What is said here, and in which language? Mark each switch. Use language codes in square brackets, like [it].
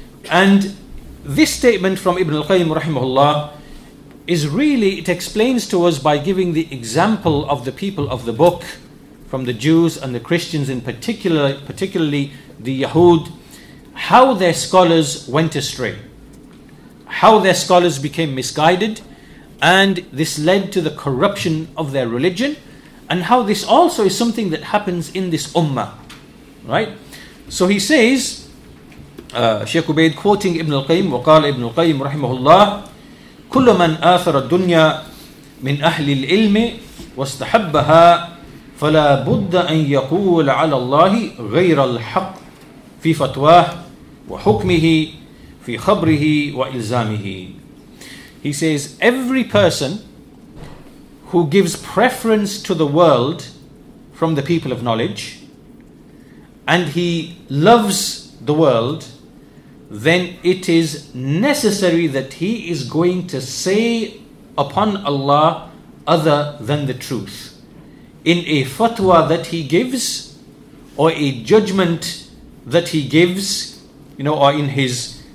[en] And this statement from Ibn al-Qayyim rahimahullah is really, it explains to us by giving the example of the people of the book, from the Jews and the Christians in particular, particularly the Yahud, how their scholars went astray, how their scholars became misguided, and this led to the corruption of their religion, and how this also is something that happens in this ummah. Right? So he says, Shaykh Ubaid quoting Ibn al-Qayyim, [ar] وقال Ibn al-Qayyim rahimahullah, كل من آثر الدنيا من أهل العلم واستحبها فلا بد أن يقول على الله غير الحق في فتواه وحكمه في خبره وإلزامه. [en] He says, every person who gives preference to the world from the people of knowledge, and he loves the world, then it is necessary that he is going to say upon Allah other than the truth in a fatwa that he gives, or a judgment that he gives, you know, or in his